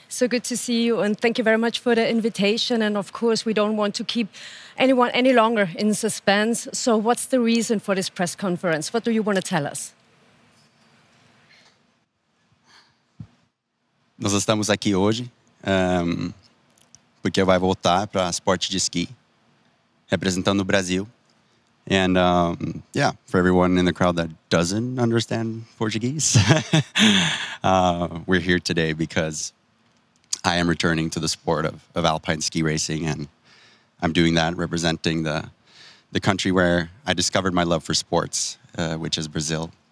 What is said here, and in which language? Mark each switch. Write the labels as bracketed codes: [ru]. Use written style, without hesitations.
[en] So good to see you and thank you very much for the invitation. And of course, we don't want to keep anyone any longer in suspense. So what's the reason for this press conference? What do you want to tell us? [pt] Nós estamos aqui hoje porque vai voltar para esporte de esqui, representando o Brasil. [en] And yeah, for everyone in the crowd that doesn't understand Portuguese, we're here today because I am returning to the sport of alpine ski racing, and I'm doing that representing the country where I discovered my love for sports, which is Brazil.